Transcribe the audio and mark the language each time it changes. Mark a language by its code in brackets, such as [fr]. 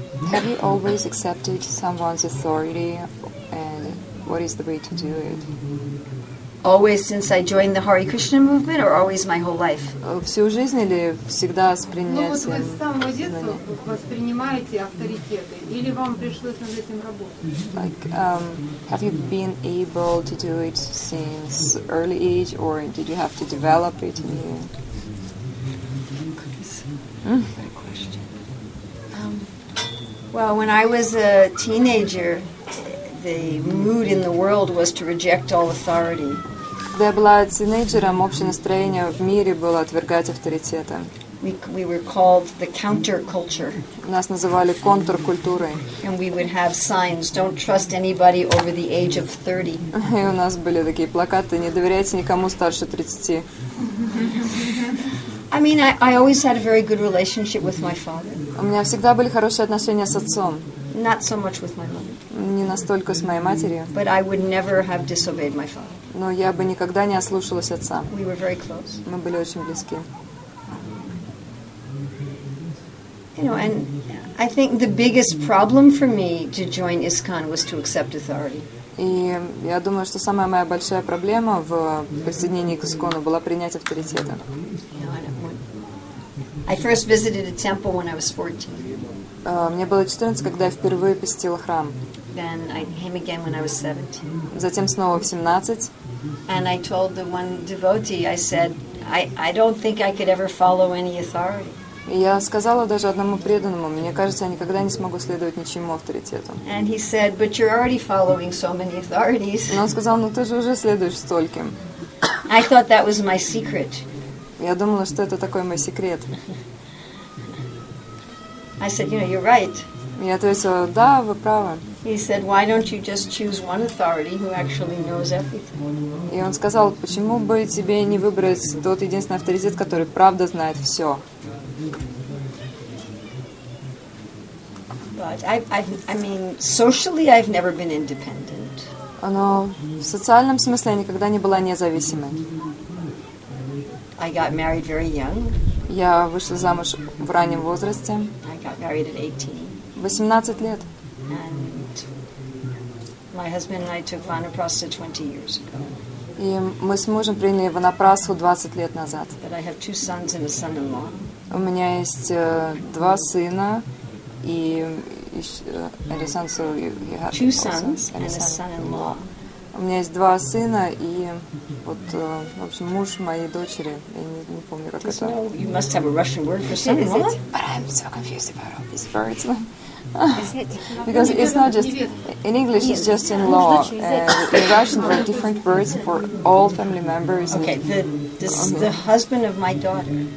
[en] Have you always accepted someone's authority, and what is the way to do it? Always since I joined the Hare Krishna movement, or always my whole life? [ru] Всю жизнь или всегда с принятием? Ну вот вы с самого детства воспринимаете авторитеты, или вам пришлось над этим работать? [en] Like, have you been able to do it since early age, or did you have to develop it in you? Good question. Well, when I was a teenager, the mood in the world was to reject all authority. [ru] Когда я была тинейджером, общее настроение в мире было отвергать авторитеты. [en] We were called the counterculture. [ru] Нас называли контркультурой. [en] And we would have signs, don't trust anybody over the age of 30. [ru] И у нас были такие плакаты, не доверяйте никому старше 30. [en] I mean, I always had a very good relationship with my father. [ru] У меня всегда были хорошие отношения с отцом. [en] Not so much with my mother. [ru] Не настолько с моей матерью. [en] But I would never have disobeyed my father. [ru] Но я бы никогда не ослушалась отца. [en] We were very close. [ru] Мы были очень близки. [en] You know, and I think the biggest problem for me to join ISKCON was to accept authority. [ru] И я думаю, что самая моя большая проблема в присоединении к ИСККОНу была принять авторитет. [en] You know, I first visited a temple when I was 14. [ru] Мне было 14, когда я впервые посетила храм. [en] Then I came again when I was 17. [ru] Затем снова в 17. [en] And I told the one devotee, I said, I don't think I could ever follow any authority. [ru] Я сказала даже одному преданному, мне кажется, я никогда не смогу следовать ничьему авторитету. [en] And he said, but you're already following so many authorities. [ru] Но он сказал, ну ты же уже следуешь стольким. [en] I thought that was my secret. [ru] Я думала, что это такой мой секрет. [en] I said, you know, you're right. [ru] Я ответила, да, вы правы. [en] He said, "Why don't you just choose one authority who actually knows everything?" [ru] И он сказал, почему бы тебе не выбрать тот единственный авторитет, который правда знает все? [en] But I mean, socially I've never been independent. [ru] Но в социальном смысле я никогда не была независимой. [en] I got married very young. [ru] Я вышла замуж в раннем возрасте. [en] I got married at 18. [ru] 18 лет. [en] And my husband and I took vanaprasa 20 years ago. [ru] И мы с мужем приняли ванапрасу 20 лет назад. [en] But I have two sons and a son-in-law. [ru] У меня есть два сына и [en] and a son, so you have two sons and a son-in-law. [ru] У меня есть два сына и вот, в общем, муж моей дочери. Я не помню, как это. [en] You must have a Russian word for son-in-law. But I'm so confused about all these words. Is it? Because it's not just in English, it's just in law. In Russian, there are different words for all family members. Okay, the husband of my daughter.